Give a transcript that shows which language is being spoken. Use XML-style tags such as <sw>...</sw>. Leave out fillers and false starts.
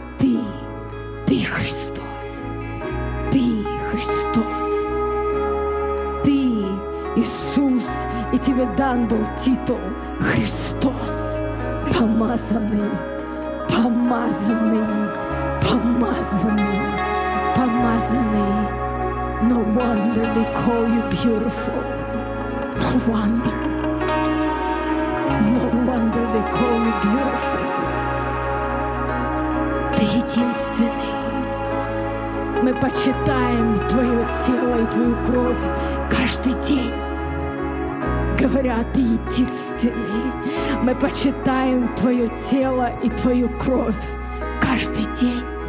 <ru>Ты Христос, Ты Христос, Ты Иисус, и Тебе дан был титул Христос, помазанный, помазанный, помазанный, помазанный.</ru> <en>No wonder they call you beautiful. No wonder. No wonder they call you beautiful.</en> <ru>Ты единственный. Мы почитаем Твое тело и Твою кровь каждый день. Говоря, Ты единственный. Мы почитаем Твое тело и Твою кровь каждый день.</ru>